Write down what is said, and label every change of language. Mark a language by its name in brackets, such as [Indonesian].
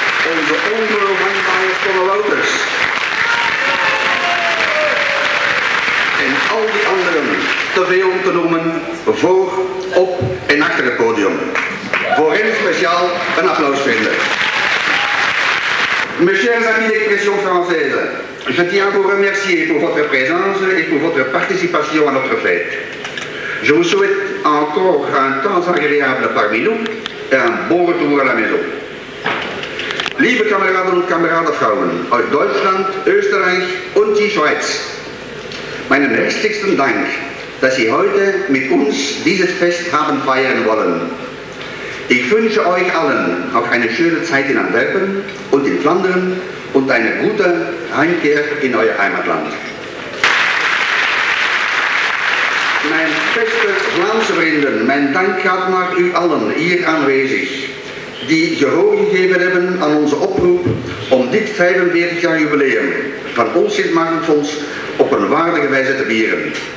[Dutch] Onze onverwachte Conne Wouters. En al die anderen, te veel om te noemen, voor, op en achter het podium. Voor hen speciaal een applaus vinden. [French] Mes chers amis d'expression française, je tiens à vous remercier pour votre présence et pour votre participation à notre fête. Je vous souhaite encore un temps agréable parmi nous et un bon retour à la maison. [German] Liebe Kameraden und Kameradenfrauen aus Deutschland, Österreich und die Schweiz, meinen herzlichsten Dank, dass Sie heute mit uns dieses Fest haben feiern wollen. Ich wünsche euch allen auch eine schöne Zeit in Antwerpen und in Flandern und eine gute Heimkehr in euer Heimatland. [Dutch] Mein beste Vlaamse Vrienden, mein Dank gaat naar u allen hier aanwezig, die gehoor gegeven hebben aan onze oproep om dit 45 jaar jubileum van ons Sint-Martensfonds op een waardige wijze te vieren.